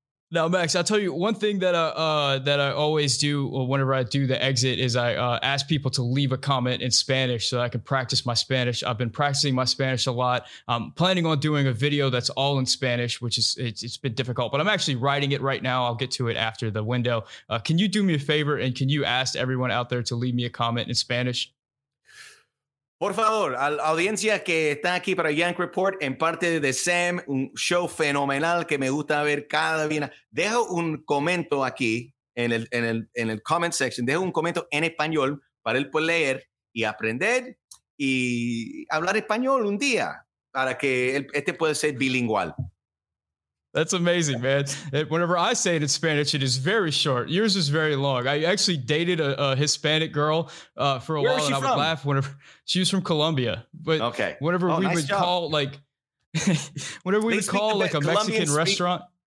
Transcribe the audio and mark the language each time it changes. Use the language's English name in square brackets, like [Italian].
[English] Now, Max, I'll tell you one thing that I always do whenever I do the exit is I ask people to leave a comment in Spanish so I can practice my Spanish. I've been practicing my Spanish a lot. I'm planning on doing a video that's all in Spanish, which is it's been difficult, but I'm actually writing it right now. I'll get to it after the window. Can you do me a favor and can you ask everyone out there to leave me a comment in Spanish? [Spanish] Por favor, a la audiencia que está aquí para Yank Report, en parte de Sam, un show fenomenal que me gusta ver cada día. Dejo un comento aquí en el [English] comment section. [Spanish] Dejo un comento en español para él poder leer y aprender y hablar español un día para que este pueda ser bilingual. [English] That's amazing, man. Whenever I say it in Spanish, it is very short. Yours is very long. I actually dated a Hispanic girl for a Where while, and I from? Would laugh whenever she was from Colombia. But okay. Whenever, oh, we nice call, like, whenever we they would call like whenever we call like a Colombian Mexican restaurant,